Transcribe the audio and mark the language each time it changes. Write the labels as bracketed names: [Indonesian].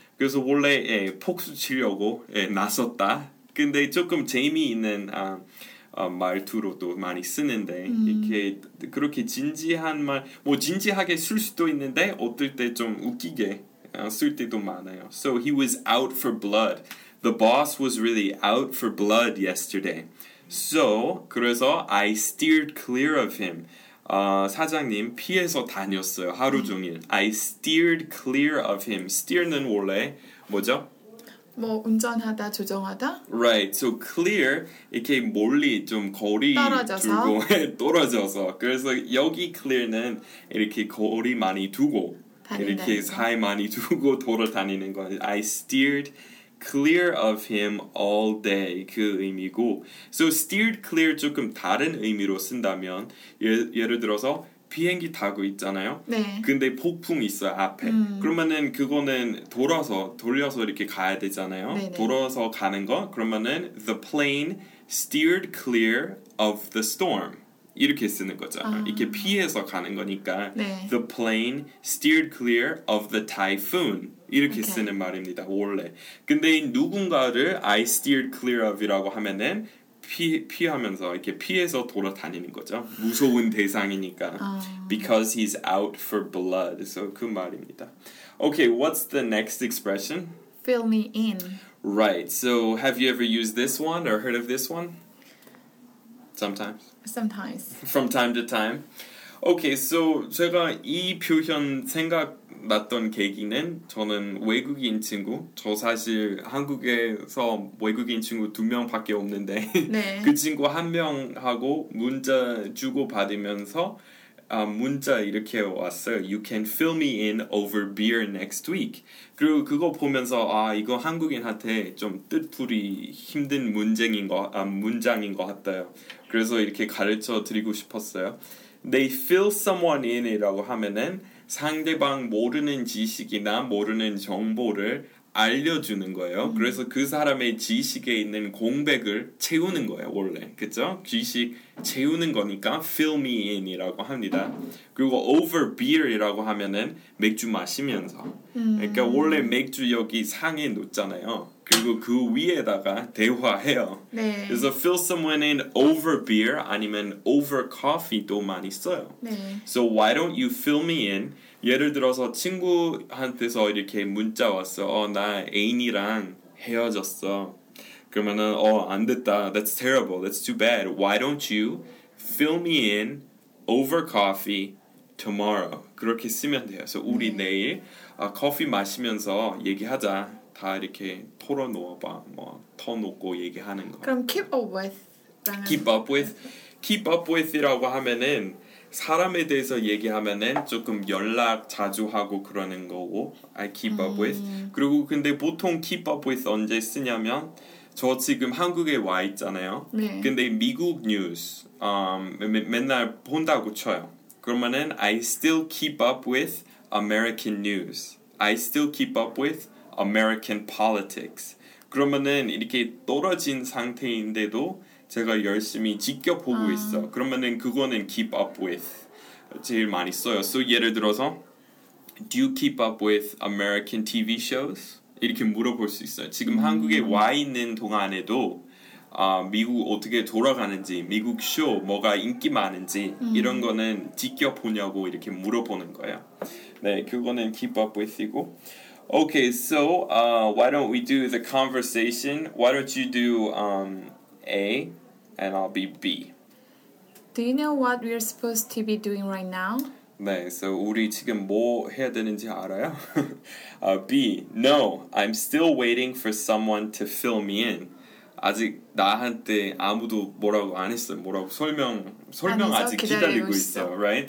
[Korean] 그래서 원래 예, 폭수치려고 예, 나섰다. 근데 조금 재미있는 말투로도 많이 쓰는데 이렇게 그렇게 진지한 말, 뭐 진지하게 쓸 수도 있는데 어떨 때 좀 웃기게 쓸 때도 많아요. [English] So he was out for blood. The boss was really out for blood yesterday. So, [Korean] 그래서 [English] I steered clear of him. [Korean] 사장님 피해서 다녔어요. 하루 종일. [English] I steered clear of him. [Korean] Steer는 원래 뭐죠? 뭐 운전하다, 조정하다? [English] Right. So clear [Korean] 이렇게 멀리 좀 거리 떨어져서. 두고 떨어져서. 그래서 여기 clear는 이렇게 거리 많이 두고 다닌다니까. 이렇게 사이 많이 두고 돌아다니는 거. [English] I steered clear of him all day [Korean] 그 의미고 [English] so steered clear [Korean] 조금 다른 의미로 쓴다면 예를 들어서 비행기 타고 있잖아요. 네. 근데 폭풍 있어 앞에. 그러면은 그거는 돌려서 이렇게 가야 되잖아요. 네네. 돌아서 가는 거 그러면은 [English] the plane steered clear of the storm [Korean] 이렇게 쓰는 거잖아요. 이렇게 피해서 가는 거니까 네. [English] the plane steered clear of the typhoon [Korean] 이렇게 [English] okay. [Korean] 쓰는 말입니다. 원래. 근데 누군가를 [English] I steered clear of [Korean] 이라고 하면은 피하면서 이렇게 피해서 돌아다니는 거죠. 무서운 대상이니까. [English] Because he's out for blood. So [Korean] 그 말입니다. [English] Okay, what's the next expression? Fill me in. Right. So have you ever used this one or heard of this one? Sometimes. Sometimes. From time to time. Okay, so [Korean] 제가 이 표현 생각났던 계기는 저는 외국인 친구, 저 사실 한국에서 외국인 친구 두 명밖에 없는데 네. 그 친구 한 명하고 문자 주고받으면서 문자 이렇게 왔어요. [English] You can fill me in over beer next week. [Korean] 그리고 그거 보면서 아 이거 한국인한테 좀 뜻풀이 힘든 문장인 것 같아요. 그래서 이렇게 가르쳐드리고 싶었어요. [English] They fill someone in [Korean] 이라고 하면은 상대방 모르는 지식이나 모르는 정보를 알려주는 거예요. 그래서 그 사람의 지식에 있는 공백을 채우는 거예요. 원래. 그쵸? 지식 채우는 거니까 fill me in 이라고 합니다. 그리고 over beer 이라고 하면은 맥주 마시면서 그러니까 원래 맥주 여기 상에 놓잖아요. 그리고 그 위에다가 대화해요. 네. 그래서 fill someone in over beer 아니면 over coffee도 많이 써요. 네. [English] So why don't you fill me in? [Korean] 예를 들어서 친구한테서 이렇게 문자 왔어. 나 애인이랑 헤어졌어. 그러면은 안 됐다. [English] That's terrible. That's too bad. Why don't you fill me in over coffee tomorrow? [Korean] 그렇게 쓰면 돼요. 그래서 우리 네. 내일 커피 마시면서 얘기하자. 다 이렇게 털어놓아봐, 뭐 터놓고 얘기하는 거. 그럼 [English] keep up with. [Korean] Keep up with, keep up with이라고 하면은 사람에 대해서 얘기하면은 조금 연락 자주 하고 그러는 거고, [English] I keep up with. [Korean] 그리고 근데 보통 keep up with 언제 쓰냐면 저 지금 한국에 와 있잖아요. 네. 근데 미국 뉴스 맨날 본다고 쳐요. [English] 그러면은 I still keep up with American news. I still keep up with. American politics. [Korean] 그러면은 이렇게 떨어진 상태인데도 제가 열심히 지켜보고 있어. 그러면은 그거는 keep up with 제일 많이 써요. [English] So [Korean] 예를 들어서 [English] Do you keep up with American TV shows? [Korean] 이렇게 물어볼 수 있어요. 지금 한국에 와 있는 동안에도 미국 어떻게 돌아가는지 미국 쇼 뭐가 인기 많은지 이런 거는 지켜보냐고 이렇게 물어보는 거예요. 네, 그거는 keep up with이고. [English] Okay, so why don't we do the conversation? Why don't you do A and I'll be B? Do you know what we're supposed to be doing right now? [Korean] 네, so 우리 지금 뭐 해야 되는지 알아요? [English] B, no, I'm still waiting for someone to fill me in. [Korean] 아직 나한테 아무도 뭐라고 안 했어, 뭐라고 설명 아직 기다리고 있어, right?